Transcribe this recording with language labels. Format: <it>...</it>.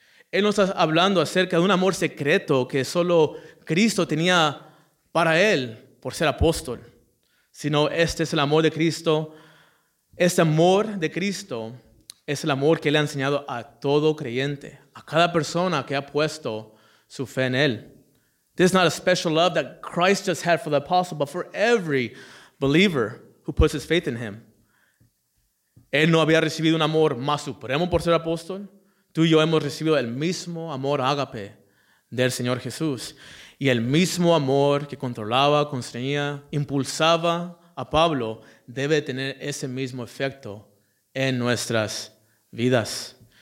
<es>Él nos está hablando acerca de un amor secreto que solo Cristo tenía para él por ser apóstol. Sino este es el amor de Cristo. Este amor de Cristo es el amor que le ha enseñado a todo creyente, a cada persona que ha puesto su fe en él.</es> <en>This is not a special love that Christ just had for the apostle, but for every believer who puts his faith in him.</en> <es>Él no había recibido un amor más supremo por ser apóstol. Tú y yo hemos recibido el mismo amor ágape del Señor Jesús. Y el mismo amor que controlaba, constreñía, impulsaba a Pablo debe tener ese mismo efecto en nuestras vidas.</es>